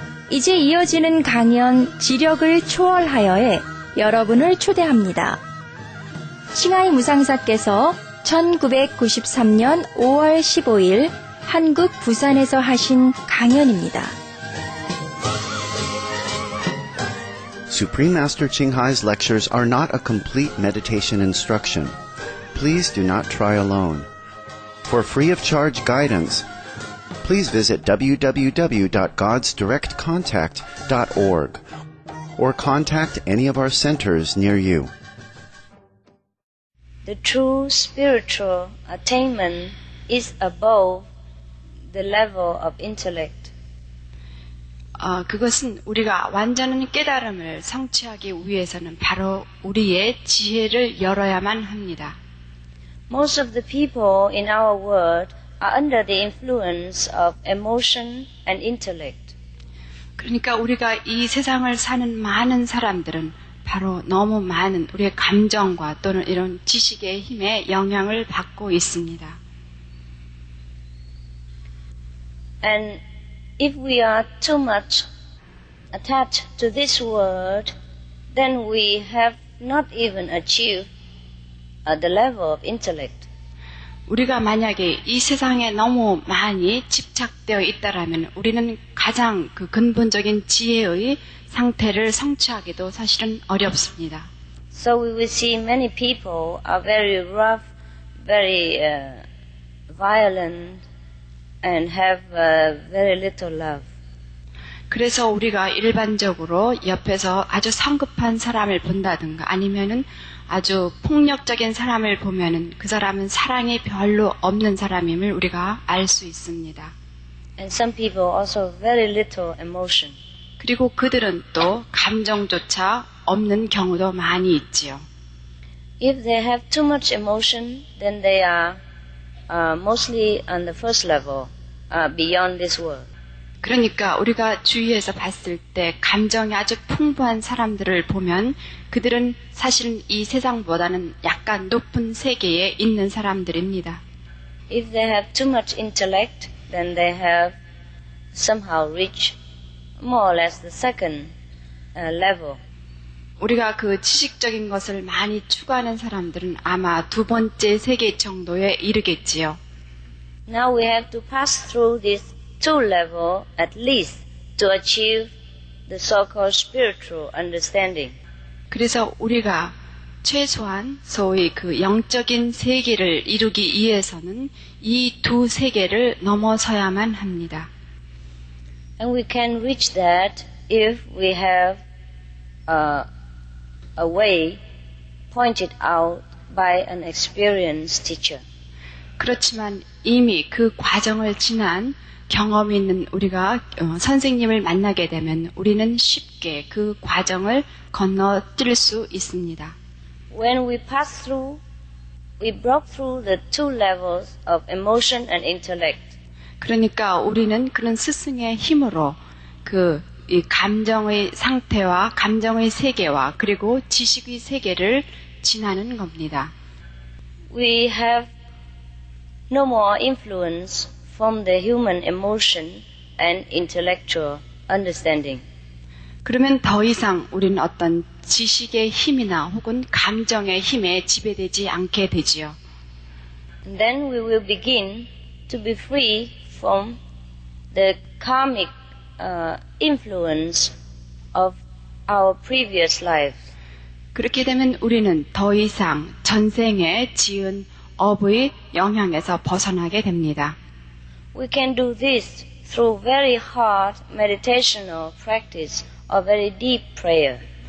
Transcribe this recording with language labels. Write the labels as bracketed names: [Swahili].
[Korean] 이제 이어지는 강연 지력을 초월하여에 여러분을 초대합니다. 싱하이 무상사께서 1993년 5월 15일 한국 부산에서 하신 강연입니다. [English] Supreme Master Qinghai's lectures are not a complete meditation instruction. Please do not try alone. For free of charge guidance, please visit www.godsdirectcontact.org or contact any of our centers near you. The true spiritual attainment is above the level of intellect. [Korean] 그것은 우리가 완전한 깨달음을 성취하기 위해서는 바로 우리의 지혜를 열어야만 합니다. [English] Most of the people in our world are under the influence of emotion and intellect. [Korean] 그러니까 우리가 이 세상을 사는 많은 사람들은 바로 너무 많은 우리의 감정과 또는 이런 지식의 힘에 영향을 받고 있습니다. [English] And if we are too much attached to this world, then we have not even achieved the level of intellect. [Korean] 우리가 만약에 이 세상에 너무 많이 집착되어 있다라면 우리는 가장 그 근본적인 지혜의 상태를 성취하기도 사실은 어렵습니다. [English] So we will see many people are very rough, very violent and have very little love. [Korean] 그래서 우리가 일반적으로 옆에서 아주 성급한 사람을 본다든가 아니면은 아주 폭력적인 사람을 보면은 그 사람은 사랑이 별로 없는 사람임을 우리가 알 수 있습니다. [English] And some people also very little emotion. [Korean] 그리고 그들은 또 감정조차 없는 경우도 많이 있지요. [English] If they have too much emotion, then they are mostly on the first level, beyond this world. [Korean] 그러니까 우리가 주위에서 봤을 때 감정이 아주 풍부한 사람들을 보면 그들은 사실은 이 세상보다는 약간 높은 세계에 있는 사람들입니다. [English] If they have too much intellect, then they have somehow reached more or less the second level. [Korean] 우리가 그 지식적인 것을 많이 추구하는 사람들은 아마 두 번째 세계 정도에 이르겠지요. [English] Now we have to pass through this two level at least to achieve the so-called spiritual understanding. [Korean] 그래서 우리가 최소한 소위 그 영적인 세계를 이루기 위해서는 이 두 세계를 넘어서야만 합니다. [English] And we can reach that if we have a way pointed out by an experienced teacher. [Korean] 그렇지만 이미 그 과정을 지난 경험이 있는 우리가 선생님을 만나게 되면 우리는 쉽게 그 과정을 건너뛸 수 있습니다. [English] When we pass through, we broke through the two levels of emotion and intellect. [Korean] 그러니까 우리는 그런 스승의 힘으로 그 이 감정의 상태와 감정의 세계와 그리고 지식의 세계를 지나는 겁니다. [English] We have no more influence from the human emotion and intellectual understanding. [Korean] 그러면 더 이상 우리는 어떤 지식의 힘이나 혹은 감정의 힘에 지배되지 않게 되지요. [English] And then we will begin to be free from the karmic influence of our previous life. [Korean] 그렇게 되면 우리는 더 이상 전생에 지은 업의 영향에서 벗어나게 됩니다. [English] We can do this through very hard meditational practice or very deep prayer.